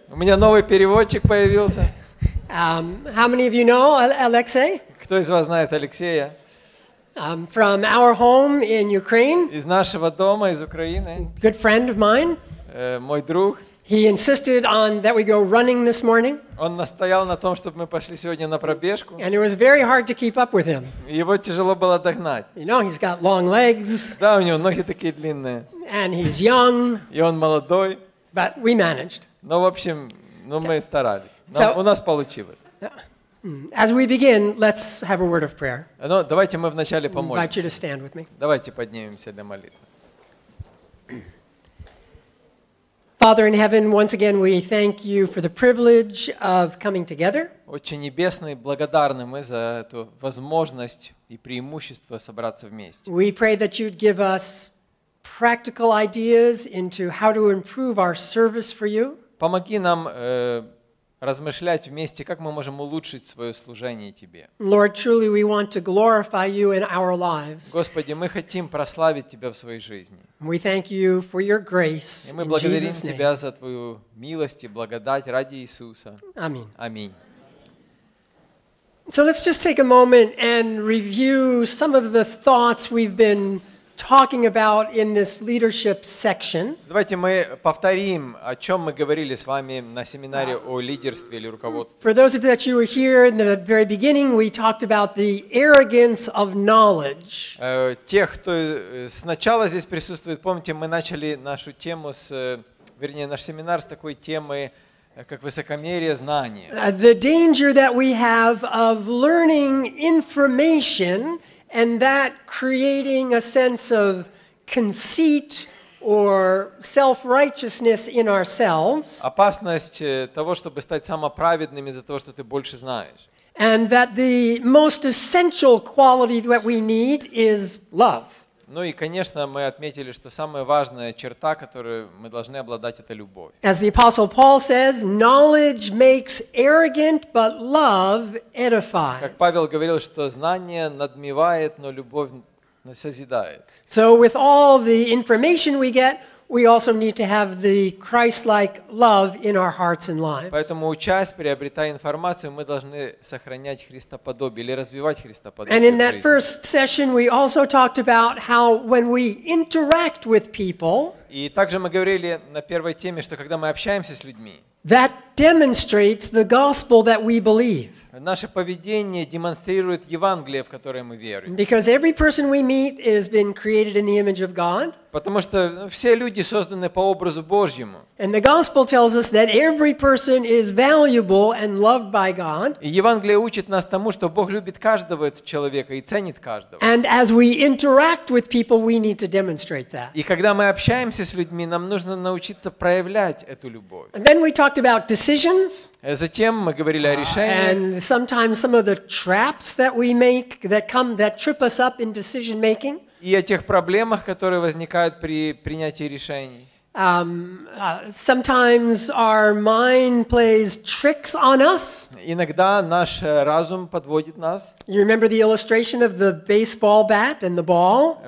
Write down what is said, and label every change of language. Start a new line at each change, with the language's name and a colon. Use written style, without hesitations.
Russian: У меня новый переводчик появился.
English: How many of you know Alexei?
Russian: Кто из вас знает Алексея?
English: From our home in Ukraine.
Russian: Из нашего дома, из Украины.
English: Good friend of mine.
Russian: Мой друг.
English: He insisted on that we go running this morning.
Russian: Он настоял на том, чтобы мы пошли сегодня на пробежку.
English: And it was very hard to keep up with him.
Russian: Его тяжело было догнать.
English: You know, he's got long legs.
Russian: Да, у него ноги такие длинные.
English: And he's young.
Russian: И он молодой.
English: But we managed.
Russian: Ну, в общем, ну мы старались. Нам, у нас получилось.
English: As we begin, let's have a word of prayer.
Russian: Ну, давайте мы вначале помолимся.
English: Invite you to stand with me.
Russian: Давайте поднимемся для молитвы.
English: Father in heaven, once again we thank you for the privilege of coming together.
Russian: Отче небесный, благодарны мы за эту возможность и преимущество собраться вместе.
English: We pray that you'd give us practical ideas into how to improve our service for you.
Russian: Помоги нам размышлять вместе, как мы можем улучшить свое служение тебе.
English: Lord, truly we want to glorify you in our lives.
Russian: Господи, мы хотим прославить тебя в своей жизни.
English: We thank you for your grace.
Russian: И мы благодарим тебя за твою милость и благодать ради Иисуса. Аминь. Аминь.
English: So let's just take a moment and review some of the thoughts we've been talking about in this leadership section.
Russian: Давайте мы повторим, о чем мы говорили с вами на семинаре о лидерстве или руководстве.
English: For those of you that were here in the very beginning, we talked about the arrogance of knowledge.
Russian: Тех, кто сначала здесь присутствует, помните, мы начали нашу тему с, вернее, наш семинар с такой темы, как высокомерие знания.
English: The danger that we have of learning information and that creating a sense of conceit or self-righteousness in ourselves.
Russian: Опасность того, чтобы стать самоправедным из-за того, что ты больше знаешь.
English: And that the most essential quality that we need is love.
Russian: Ну и, конечно, мы отметили, что самая важная черта, которую мы должны обладать, это любовь.
English: As the Apostle Paul says, knowledge makes arrogant, but love edifies.
Russian: Как Павел говорил, что знание надмевает, но любовь созидает.
English: So with all the information we get, we also need to have the Christ-like love in our hearts and lives.
Russian: Поэтому, учась, приобретая информацию, мы должны сохранять Христоподобие или развивать Христоподобие.
English: And in that first session, we also talked about how when we interact with people.
Russian: И также мы говорили на первой теме, что когда мы общаемся с людьми.
English: That demonstrates the gospel that we believe.
Russian: Наше поведение демонстрирует Евангелие, в которое мы верим.
English: Because every person we meet has been created in the image of God.
Russian: Потому что все люди созданы по образу Божьему.
English: And the gospel tells us that every person is valuable and loved by God.
Russian: И Евангелие учит нас тому, что Бог любит каждого человека и ценит каждого.
English: And as we interact with people, we need to demonstrate that.
Russian: И когда мы общаемся с людьми, нам нужно научиться проявлять эту любовь.
English: And then we talked about decisions.
Russian: Затем мы говорили о решениях.
English: And sometimes some of the traps that we make that come that trip us up in decision making.
Russian: И о тех проблемах, которые возникают при принятии решений.
English: Sometimes our mind plays tricks on us.
Russian: Иногда наш разум подводит нас.
English: You remember the illustration of the baseball bat and the ball?